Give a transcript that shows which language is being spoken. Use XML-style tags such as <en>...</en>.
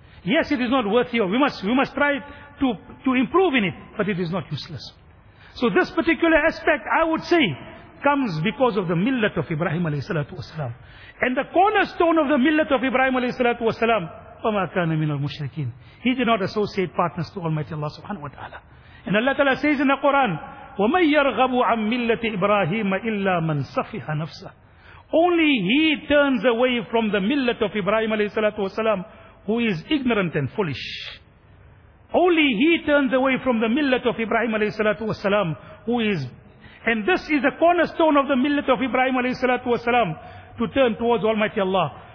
<en>Yes, it is not worthy of. We must try to improve in it, but it is not useless. So this particular aspect, I would say, comes because of the millat of Ibrahim alayhi salatu wasalam. And the cornerstone of the millat of Ibrahim alayhi salatu wasalam,</en> <ar>وَمَا كَانَ مِنَ الْمُشْرِكِينَ.</ar> <en>He did not associate partners to Almighty Allah subhanahu wa ta'ala. And Allah ta'ala says in the Quran,</en> <ar>وَمَنْ يَرْغَبُ عَمْ مِلَّةِ إِبْرَاهِيمَ إِلَّا مَنْ سَفِحَ نَفْسَهُ.</ar> <en>Only he turns away from the millet of Ibrahim alayhi salatu wasalam, who is ignorant and foolish. Only he turns away from the millet of Ibrahim alayhi salatu wasalam, who is... And this is the cornerstone of the millet of Ibrahim alayhi salatu wasalam, to turn towards Almighty Allah.</en>